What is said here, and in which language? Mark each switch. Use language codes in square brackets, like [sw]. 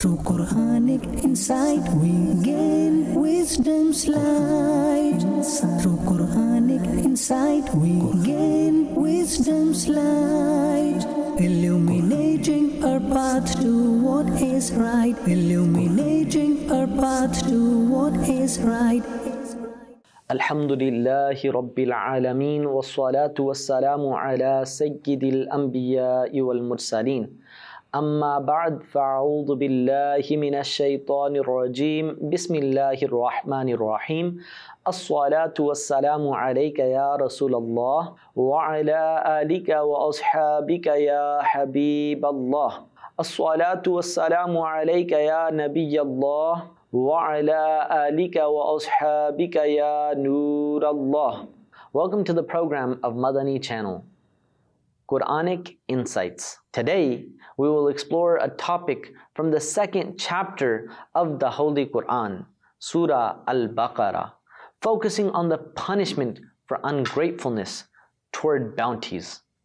[en] Through Quranic insight, we gain wisdom's light. Through Quranic insight, we gain wisdom's light. Illuminating our path to what is right. Illuminating our path to what is right. [ar] الحمد لله رب العالمين والصلاة والسلام على سيد الأنبياء والمرسلين أما بعد فأعوذ بالله من الشيطان الرجيم بسم الله الرحمن الرحيم الصلاة والسلام عليك يا رسول الله وعلى آلك وأصحابك يا حبيب الله الصلاة والسلام عليك يا نبي الله وعلى آلك وأصحابك يا نور الله. [en] Welcome to the program of Madani Channel, Quranic Insights. Today, we will explore a topic from the second chapter of the Holy Quran, Surah Al-Baqarah, focusing on the punishment for ungratefulness toward bounties.